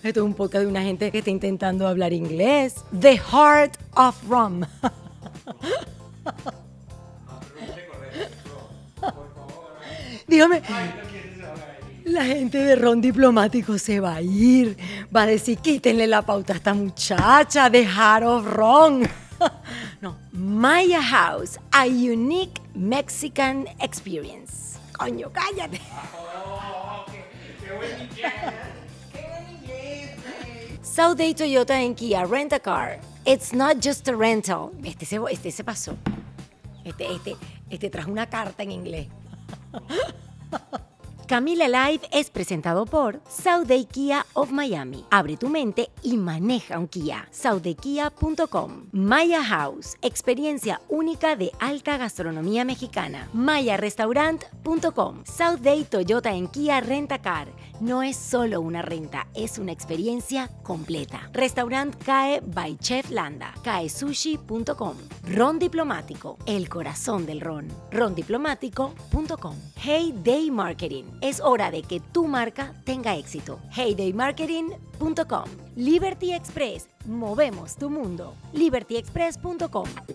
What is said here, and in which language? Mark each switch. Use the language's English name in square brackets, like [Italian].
[Spanish] Esto es un podcast de una gente que está intentando hablar inglés. The Heart of Rum. Dígame, la gente de Ron Diplomático se va a ir, va a decir, quítenle la pauta a esta muchacha de Heart of Ron. [English] No, Maya House, a unique Mexican experience. [Spanish] Coño, cállate. [English] South Day Toyota en Kia, rent a car. It's not just a rental. [Spanish] Este se pasó. Este trajo una carta en inglés. Camila Live es presentado por South Day Kia of Miami. Abre tu mente y maneja un Kia. SouthdayKia.com. Maya House, experiencia única de alta gastronomía mexicana. MayaRestaurant.com. South Day Toyota en Kia Renta Car. No es solo una renta, es una experiencia completa. [English] Restaurant CAE by Chef Landa. CAESushi.com. [Spanish] Ron Diplomático, el corazón del ron. RonDiplomático.com. Hey Day Marketing. Es hora de que tu marca tenga éxito. HeyDayMarketing.com. Liberty Express. Movemos tu mundo. LibertyExpress.com.